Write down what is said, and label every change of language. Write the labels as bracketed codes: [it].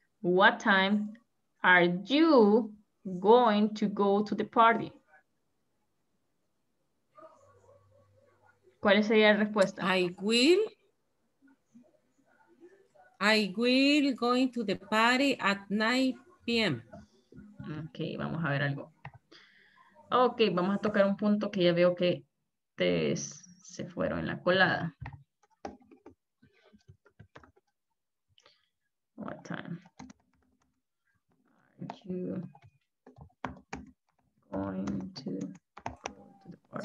[en] What time are you going to go to the party? [es] ¿Cuál sería la respuesta? [en] I will going to the party at 9 p.m. [es] Okay, vamos a ver algo. Ok, vamos a tocar un punto que ya veo que se fueron en la colada. [en] What time are you going to go to the park?